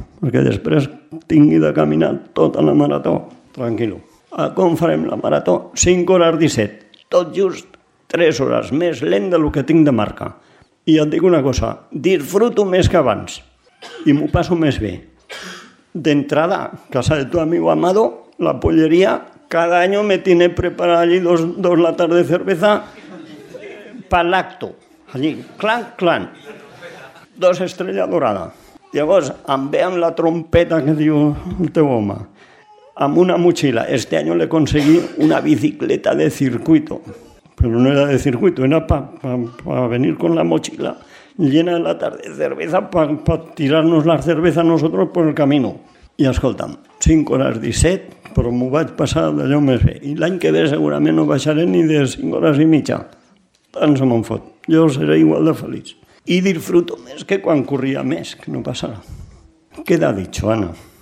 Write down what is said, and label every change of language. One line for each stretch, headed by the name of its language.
Catalan: Perquè després tingui de caminar tota la marató. Tranquil. Com farem la marató? 5:17. Tot just 3 hores més lent del que tinc de marca. I et dic una cosa, disfruto més que abans i m'ho passo més bé.
Spanish: D'entrada, casa de tu amigo Amado, la polleria, cada any me tiene preparada allí 2 latas de cerveza pa l'acto. Allí, clan, clan. 2 estrella dorada.
Catalan: Llavors, em ve amb la trompeta que diu el teu home, amb una motxilla.
Spanish: Este any le conseguí una bicicleta de circuito. Però no era de circuito, era pa venir con la motxilla llena de latas de cerveza pa tirarnos la cerveza nosotros por el camino.
Catalan: I escolta'm, 5:17, però m'ho vaig passar d'allò més bé. I l'any que ve segurament no baixaré ni de 5:30. Tant se me'n fot. Jo seré igual de feliç. I disfruto més que quan corria més, que no passarà. Queda dit, Joana.